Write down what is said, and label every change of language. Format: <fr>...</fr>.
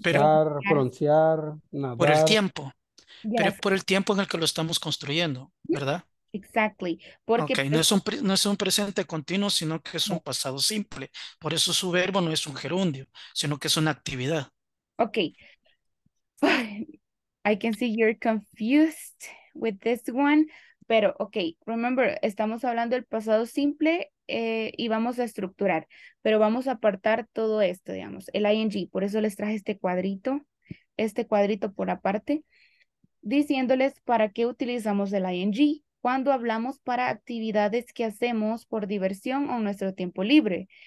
<es>broncear, broncear, nadar. Por el tiempo.</es> <en>Yes.</en> <es>Pero es por el tiempo en el que lo estamos construyendo, ¿verdad?</es> <en>Exactly. Porque</en> <es>okay, no es un presente continuo, sino que es un pasado simple. Por eso su verbo no es un gerundio, sino que es una actividad.</es> <en>Okay. I can see you're confused with this one.</en> <es>Pero, okay, remember, estamos hablando del pasado simple y vamos a estructurar, pero vamos a apartar todo esto, digamos, el ing, por eso les traje este cuadrito por aparte, diciéndoles para qué utilizamos el ing cuando hablamos para actividades que hacemos por diversión o nuestro tiempo libre.</es>